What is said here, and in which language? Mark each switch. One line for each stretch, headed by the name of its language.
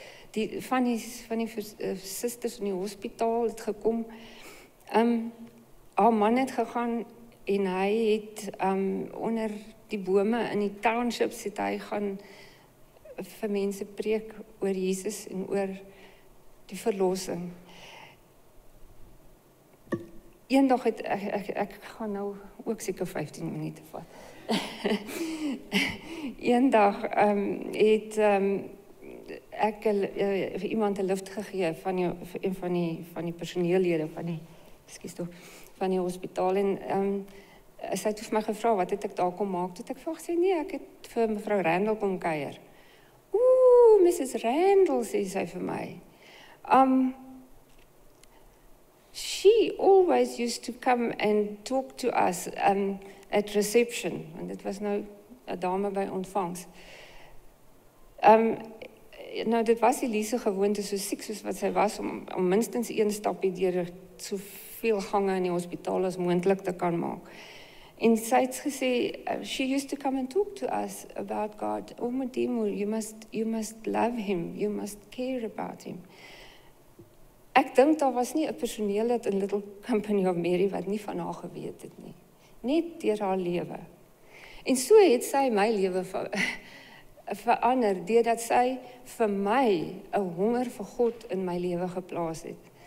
Afrikaans: Die van die susters in die hospitaal het gekom. Haar man het gegaan en hy het onder die bome in die townships het hy gaan vir mense preek oor Jesus en oor die verlossing. Eendag het ek gaan nou ook seker 15 minute vat. Eendag ek vir iemand 'n lift gegee van een van die personeellede van die hospitaal en sy het vir my gevra wat het ek daar kom maak, toe ek vir gesê nee, ek het vir mevrou Randall kom kuier. Ooh, Mrs. Randall, sê sy vir my.
English: She always used to come and talk to us at reception, and it was
Afrikaans: nou 'n dame by ontvangs. Nou dit was Elise gewoonte so siek soos wat sy was om minstens een stapie deur soveel gange in die hospitaal as moontlik te kan maak. En sy het gesê,
English: she used to come and talk to us about God. Oh, Mademo, you must love him, you must care about him.
Afrikaans: Ek dink daar was nie 'n personeel lid in Little Company of Mary wat nie van haar geweet het nie. Net deur haar lewe. En so het sy my lewe verander, deurdat sy vir my 'n honger vir God in my lewe geplaas het.